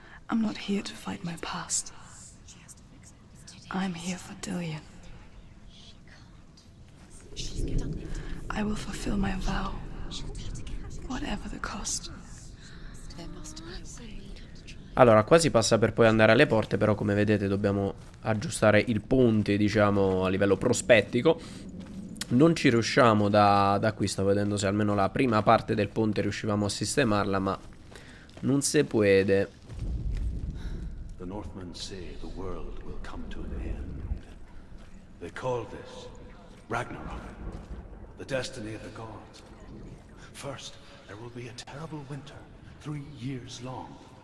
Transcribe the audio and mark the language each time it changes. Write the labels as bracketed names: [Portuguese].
[English] I'm not here to fight my past. I'm here for Dillion. I will fulfill my vow, whatever the cost. [Italian] Allora, qua si passa per poi andare alle porte, però come vedete dobbiamo aggiustare il ponte, diciamo, a livello prospettico. Non ci riusciamo da qui, sto vedendo se almeno la prima parte del ponte riuscivamo a sistemarla, ma non si può. [English] The Northmen say the world will come to an end. They call this Ragnarok, the destiny of the gods. First, there will be a terrible winter, 3 years long.